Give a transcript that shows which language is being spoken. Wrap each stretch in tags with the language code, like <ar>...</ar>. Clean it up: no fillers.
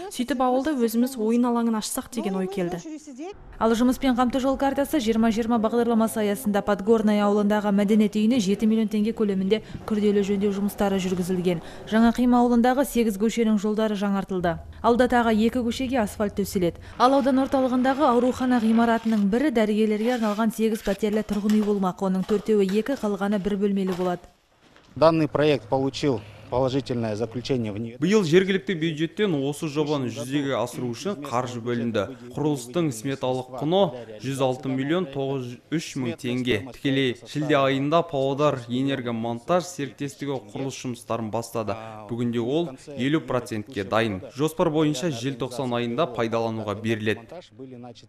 <kk>Сөйтіп ауылда өзіміз ойын алаңын ашсақ деген ой келді. Ал жұмыспен қамту жол картасы 2020 бағдарламасы аясында Подгорная ауылындағы мәдениет үйіне 7 миллион теңге көлемінде күрделі жөндеу жұмыстары жүргізілген. Жаңа қима ауылындағы 8 көшенің жолдары жаңартылды. Алда тағы 2 көшеге асфальт төселеді. Ал аудан орталығындағы аурухана ғимаратының бірі дәрігерлерге арналған 8 пәтерлі тұрғын үй болмақ. Оның 4-теуі 2, қалғаны 1 бөлмелі болады.</kk> <ru>Данный проект получил положительное заключение.</ru> <kk>Биыл жергілікті бюджеттен осы жобаны жүзеге асыру үшін қаржы бөлінді. Құрылыстың сметалық құны 106 миллион 903 мың теңге. Тікелей шілде айында Павлодар энергомонтаж серіктестігі құрылыс жұмыстарын бастады. Бүгінде ол 50%-ке дайын. Жоспар бойынша 90 айында пайдалануға беріледі.</kk>